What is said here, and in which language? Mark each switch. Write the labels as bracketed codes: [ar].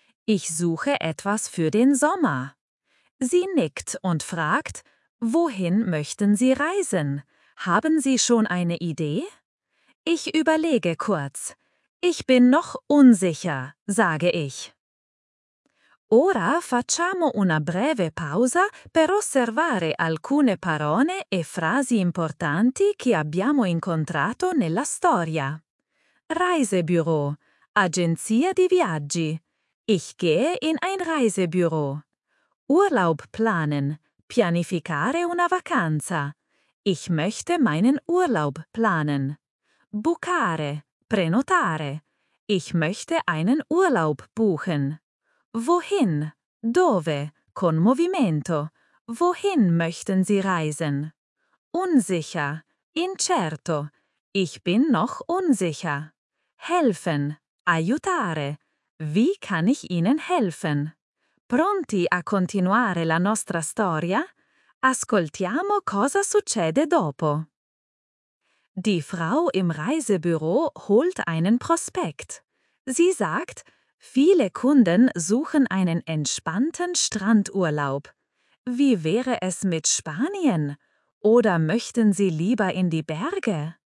[de] Ich suche etwas für den Sommer. Sie nickt und fragt, wohin möchten Sie reisen? Haben Sie schon eine Idee? Ich überlege kurz. Ich bin noch unsicher, sage ich. [it] Ora facciamo una breve pausa per osservare alcune parole e frasi importanti che abbiamo incontrato nella storia. Reisebüro, agenzia di viaggi. [de] Ich gehe in ein Reisebüro. Urlaub planen, [it] pianificare una vacanza. [de] Ich möchte meinen Urlaub planen. Bucare, [it] prenotare. [de] Ich möchte einen Urlaub buchen. Wohin? [it] Dove? Con movimento. [de] Wohin möchten Sie reisen? Unsicher. [it] Incerto. [de] Ich bin noch unsicher. Helfen. [it] Aiutare. [de] Wie kann ich Ihnen helfen? [it] Pronti a continuare la nostra storia? Ascoltiamo cosa succede dopo. [de] Die Frau im Reisebüro holt einen Prospekt. Sie sagt, viele Kunden suchen einen entspannten Strandurlaub. Wie wäre es mit Spanien? Oder möchten Sie lieber in die Berge?